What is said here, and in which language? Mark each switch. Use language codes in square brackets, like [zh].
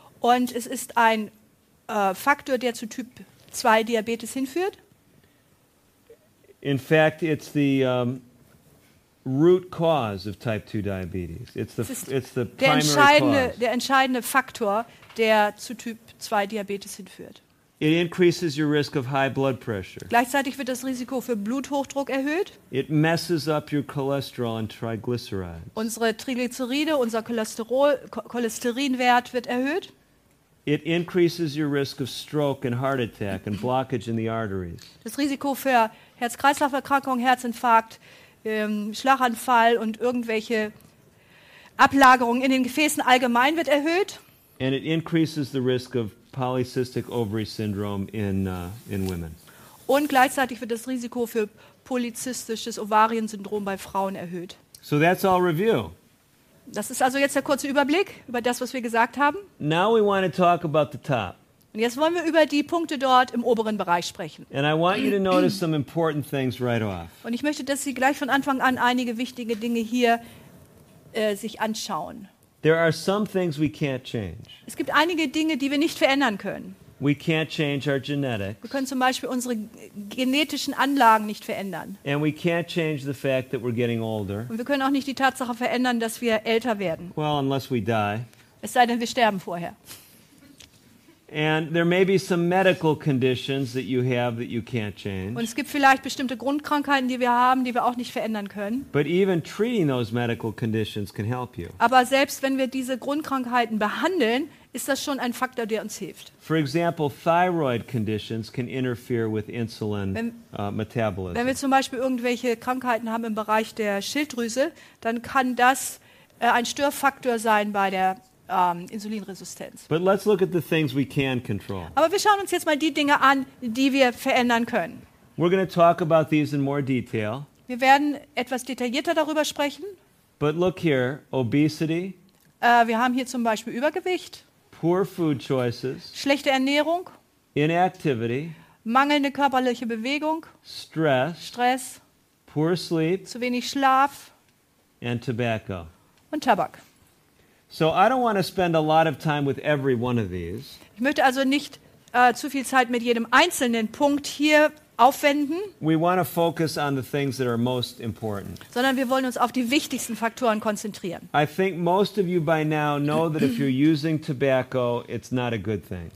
[de] Und es ist ein Faktor, der zu Typ 2 Diabetes hinführt. [en] In fact, it's the root cause of type 2 diabetes. It's the primary [de] entscheidende, [en] cause. [de] Der entscheidende Faktor, der zu Typ 2 Diabetes hinführt. [en] It increases your risk of high blood pressure. [de] Gleichzeitig wird das Risiko für Bluthochdruck erhöht. [en] It messes up your cholesterol and triglycerides. [de] Unsere Triglyceride, unser Cholesterinwert wird erhöht. [en] It increases your risk of stroke and heart attack and blockage in the arteries. [de] Das Risiko für Herz-Kreislauf-Erkrankung, Herzinfarkt, Schlaganfall und irgendwelche Ablagerungen in den Gefäßen allgemein wird erhöht. [en] And it increases the risk of polycystic ovary syndrome in women. [de] Und gleichzeitig wird das Risiko für polyzystisches Ovariensyndrom bei Frauen erhöht. [en] So that's all review. [de] Das ist also jetzt der kurze Überblick über das, was wir gesagt haben. [en] Now we want to talk about the top. [de] Und jetzt wollen wir über die Punkte dort im oberen Bereich sprechen. [en] And I want you to notice some important things right off. [de] Und ich möchte, dass Sie gleich von Anfang an einige wichtige Dinge hier sich anschauen. [en] There are some things we can't change. [de] Es gibt einige Dinge, die wir nicht verändern können. [en] We can't change our genetics. [de] Wir können zum Beispiel unsere genetischen Anlagen nicht verändern. [en] And we can't change the fact that we're getting older. [de] Und wir können auch nicht die Tatsache verändern, dass wir älter werden. [en] Well, unless we die. [de] Es sei denn, wir sterben vorher. [en] And there may be some medical conditions that you have that you can't change. [de] Und es gibt vielleicht bestimmte Grundkrankheiten, die wir haben, die wir auch nicht verändern können. [en] But even treating those medical conditions can help you. [de] Aber selbst wenn wir diese Grundkrankheiten behandeln, ist das schon ein Faktor, der uns hilft. [en] For example, thyroid conditions can interfere with insulin metabolism. [de] Wenn wir zum Beispiel irgendwelche Krankheiten haben im Bereich der Schilddrüse, dann kann das ein Störfaktor sein bei der Insulinresistenz. [en] But let's look at the things we can control. [de] Aber wir schauen uns jetzt mal die Dinge an, die wir verändern können. [en] We're going to talk about these in more detail. [de] Wir werden etwas detaillierter darüber sprechen. [en] But look here, obesity. [de] Wir haben hier zum Beispiel Übergewicht. [en] Poor food choices. [de] Schlechte Ernährung. [en] Inactivity. [de] Mangelnde körperliche Bewegung. [en] Stress. Poor sleep. [de] Zu wenig Schlaf. [en] And tobacco. [de] Und Tabak. [en] So I don't want to spend a lot of time with every one of these. [de] Ich möchte also nicht zu viel Zeit mit jedem einzelnen Punkt hier aufwenden. [en] We want to focus on the things that are most important. [de] Sondern wir wollen uns auf die wichtigsten Faktoren konzentrieren. [en] I think most of you by now know that if you're using tobacco, it's not a good thing.